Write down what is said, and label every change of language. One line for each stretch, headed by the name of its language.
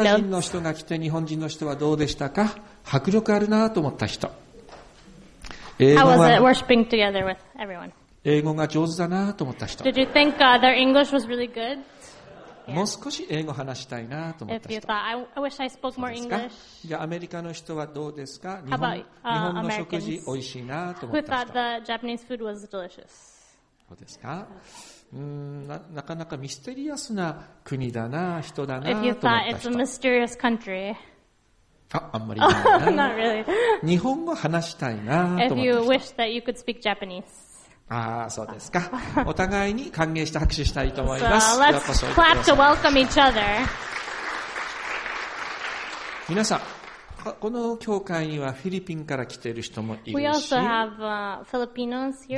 Japanese: アメリカ人の人が来て日本人の人はどうでしたか？迫力あるなと思った人。
English: How was it worshiping together with everyone?
Japanese: 英語が上手だなと思った人。
English: Did you think their English was really good?
Japanese: もう少し英語話したいなと思った人。
English: If you thought, I wish I spoke more English.
Japanese: じゃあアメリカの人はどうですか？
English: How about Americans?
Japanese: 日本の食事おいしいなと思った人。
English: Who thought the Japanese food was delicious?
Japanese: そうですか。なかなかミステリアスな国だな、人だなと思った人。
English: If you thought it's a mysterious country.
Japanese: あんまり
English: Not really.
Japanese: 日本語話したいなと思った人。
English: If you wish that you could speak Japanese.
Japanese: ああそうですか。お互いに歓迎して拍手したいと思います。
English: So, let's clap to welcome each other.
Japanese: 皆さん、この教会にはフィリピンから来ている人もいるし、
English: We also have, Filipinos here